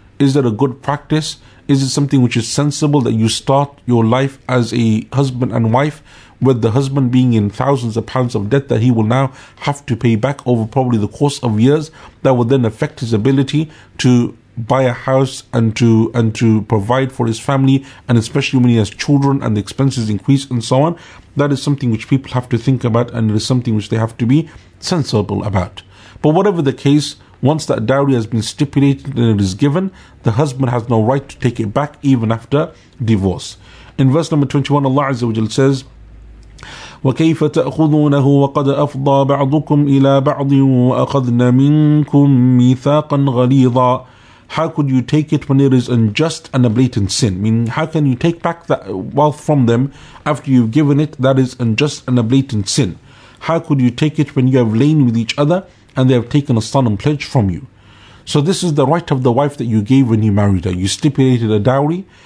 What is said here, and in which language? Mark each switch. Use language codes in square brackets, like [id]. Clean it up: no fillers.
[en] Is it a good practice? Is it something which is sensible, that you start your life as a husband and wife with the husband being in thousands of pounds of debt that he will now have to pay back over probably the course of years, that will then affect his ability to buy a house and to provide for his family, and especially when he has children and the expenses increase and so on? That is something which people have to think about, and it is something which they have to be sensible about. But whatever the case, once that dowry has been stipulated and it is given, the husband has no right to take it back even after divorce. In verse number 21, Allah Azza wa Jalla says, [ar] وكيف تأخذونه وقد أفضى بعضكم إلى بعض وأخذنا منكم ميثاقا غليظا. [en] How could you take it when it is unjust and a blatant sin? I mean, how can you take back that wealth from them after you've given it? That is unjust and a blatant sin. How could you take it when you have lain with each other and they have taken a solemn pledge from you? So this is the right of the wife that you gave when you married her. You stipulated a dowry.